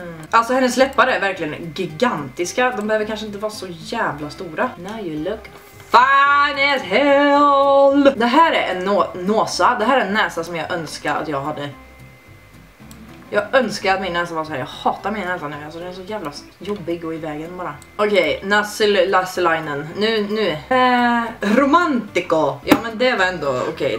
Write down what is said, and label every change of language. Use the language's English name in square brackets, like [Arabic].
[Swedish] Alltså hennes läppar är verkligen gigantiska. De behöver kanske inte vara så jävla stora. [English] Now you look fine as hell. [Swedish] Det här är en nosa. Det här är en näsa som jag önskar att jag hade. Jag önskar att min näsa var så här. Jag hatar min näsa nu. Alltså den är så jävla jobbig och i vägen bara. Okej, nasselinen. Nu. Romantico. Ja, men det var ändå okej.